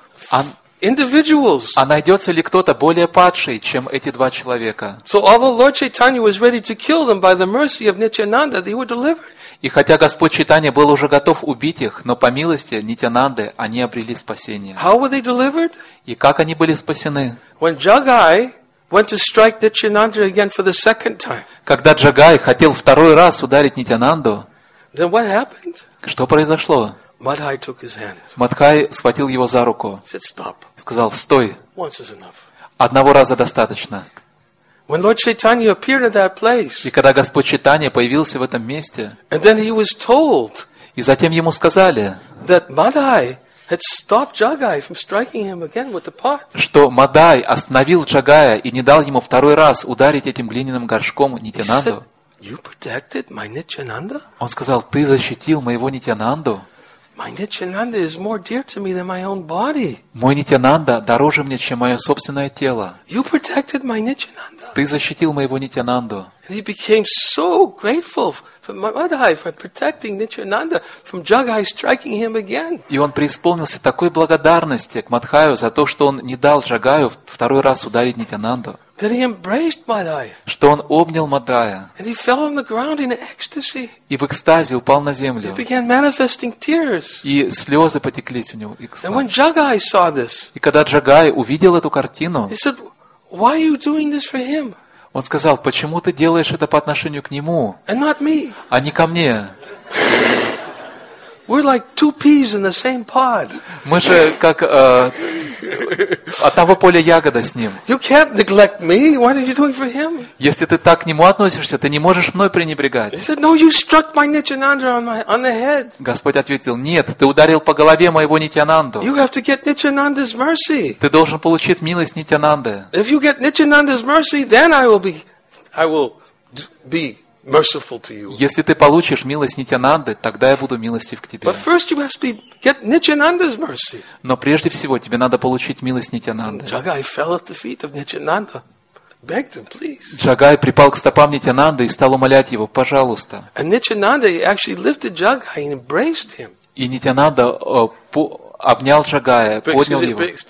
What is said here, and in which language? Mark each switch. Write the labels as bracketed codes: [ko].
[ru] А найдется ли кто-то более падший, чем эти два человека? И хотя Господь Чайтанья был уже готов убить их, но по милости Нитянанды они обрели спасение. [en] How were they delivered? [ru] И как они были спасены? [en] When Jagai went to strike Nityananda again for the second time. [ru] Когда Джагай хотел второй раз ударить Нитянанду, [en] then what happened? [ru] Что произошло? [en] Мадхай took his hand. [ru] Мадхай схватил его за руку. [en] Said, stop. [ru] Сказал, стой. [en] Once is enough. [ru] Одного раза достаточно. [en] When Lord Chaitanya appeared in that place. [ru] И когда Господь Чайтанья появился в этом месте. [en] And then he was told. [ru] И затем ему сказали. [en] That Мадхай had stopped Jagai from striking him again with the pot. [ru] Что Мадхай остановил Джагая и не дал ему второй раз ударить этим глиняным горшком Нитянанду. [en] You protected my Nityananda? [ru] Он сказал, ты защитил моего Нитянанду? [en] My Nityananda is more dear to me than my own body. [ru] Мой Нитянанда дороже мне, чем мое собственное тело. [en] You protected my Nityananda. [ru] Ты защитил моего Нитянанду. [en] And he became so grateful for Madhai for protecting Nityananda from Jagai striking him again. [ru] И он преисполнился такой благодарности к Мадхаю за то, что он не дал Джагаю второй раз ударить Нитянанду. [en] That he embraced Madhai. [ru] Что он обнял Мадхая. [en] And he fell on the ground in ecstasy. [ru] И в экстазе упал на землю. [en] He began manifesting tears. [ru] И слезы потекли у него. [en] And when Jagai saw this, [ru] и когда Джагай увидел эту картину, [en] he said, "Why are you doing this for him?" [ru] Он сказал, почему ты делаешь это по отношению к нему, [en] and not me. [ru] А не ко мне? [en] We're like two peas in the same pod. [ru] Мы же как одного поля ягода с ним. [en] You can't neglect me. What are you doing for him? [ru] Если ты так к нему относишься, ты не можешь мной пренебрегать. [en] He said, "No, you struck my Nityananda on the head." [ru] Господь ответил, нет, ты ударил по голове моего Нитянанду. [en] You have to get Nityananda's mercy. [ru] Ты должен получить милость Нитянанды. [en] If you get Nityananda's mercy, then I will be merciful to you. [ru] Если ты получишь милость Нитянанды, тогда я буду милостив к тебе. [en] But first you must get Nityananda's mercy. [ru] Но прежде всего тебе надо получить милость Нитянанды. [en] Jagai fell at the feet of Nityananda, begged him, please. [ru] Джагай припал к стопам Нитянанды и стал умолять его, пожалуйста. [en] And Nityananda actually lifted Jagai and embraced him. [ru] И Нитянанда обнял Джагая, поднял его.